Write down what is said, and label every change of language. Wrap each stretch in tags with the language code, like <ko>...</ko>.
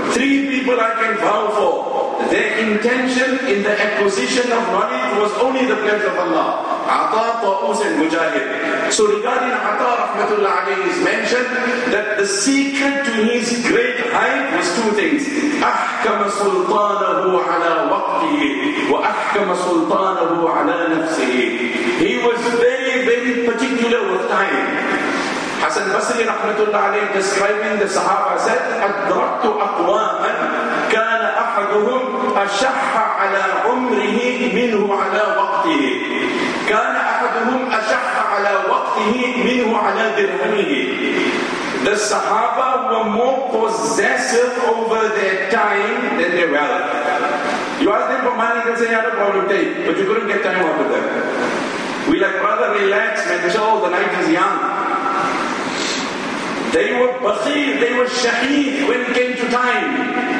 <en>Three people I can vow for, their intention in the acquisition of knowledge was only the pleasure of Allah. Ata, Ta'us and Mujahid. So regarding Ata rahmatullah alayhi is mentioned that the secret to his great height was two things.</en> <ar>أحكم سلطانه على وقته وأحكم سلطانه على نفسه.</ar> <en>He was very, very particular with time. Hasan Basri rahmatullah alayhi describing the Sahaba said,</en> <ar>أدركت أقواما كان أحدهم أشح على عمره منه على وقته. كان أحدهم أشح على وقته منه على درهمه.</ar> <en>The Sahaba were more possessive over their time than their wealth. You ask them for money, they say, "I have a problem today," but you couldn't get time off of them. We like, "Brother, relax, man, chill, the night is young." They were basir, they were shaheed when it came to time.</en>